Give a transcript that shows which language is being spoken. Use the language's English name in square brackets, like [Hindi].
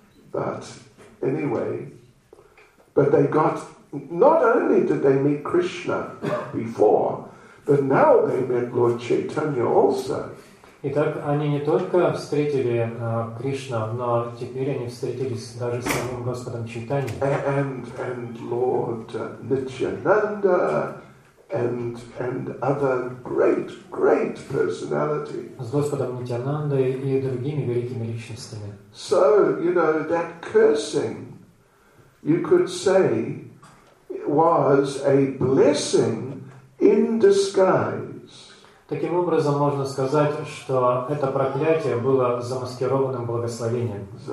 [English] But anyway, but they got, not only did they meet Krishna before, but now they met Lord Chaitanya also. [Russian] Итак, они не только встретили Кришну, но теперь они встретились даже с самим Господом Чайтаньей. [English] And Lord Nityananda and other great personality. [Russian] С Господом Нитянандой и другими великими личностями. [English] So, you know, that cursing, you could say, was a blessing in disguise. [Russian] Таким образом, можно сказать, что это проклятие было замаскированным благословением.